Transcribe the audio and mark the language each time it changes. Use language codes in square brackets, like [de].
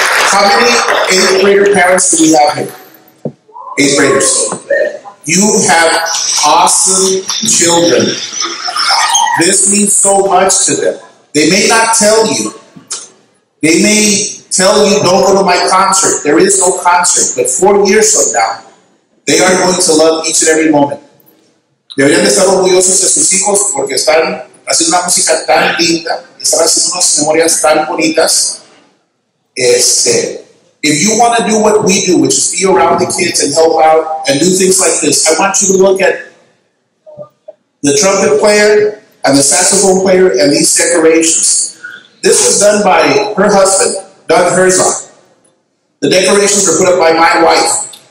[en] Parents that we have here, eighth graders, you have awesome children. This means so much to them. They may not tell you. They may tell you, don't go to my concert. There is no concert. But 4 years from now, they are going to love each and every moment. [es] Deberían estar orgullosos de sus hijos porque están haciendo una música tan linda, están haciendo unas memorias tan bonitas. [en] If you want to do what we do, which is be around the kids and help out and do things like this, I want you to look at the trumpet player and the saxophone player and these decorations. This was done by her husband, Doug Herzog. The decorations were put up by my wife.